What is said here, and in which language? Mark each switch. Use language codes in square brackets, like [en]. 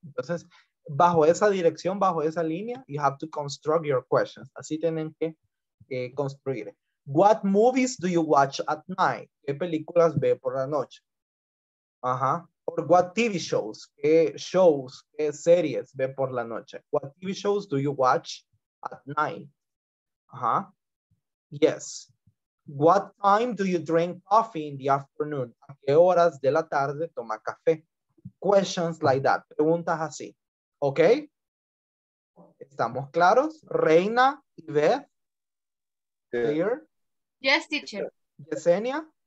[es] Entonces, bajo esa dirección, bajo esa línea, [en] you have to construct your questions. [es] Así tienen que construir. [en] What movies do you watch at night? [es] ¿Qué películas ve por la noche? Ajá. [en] Or what TV shows? [es] ¿Qué shows, qué series ve por la noche? [en] What TV shows do you watch at night? Ajá. Yes. What time do you drink coffee in the afternoon? [es] ¿A qué horas de la tarde toma café? [en] Questions like that. [es] Preguntas así. ¿Ok? ¿Estamos claros? ¿Reina y Beth? [en] Yeah. Clear? Yes, teacher. ¿Yesenia?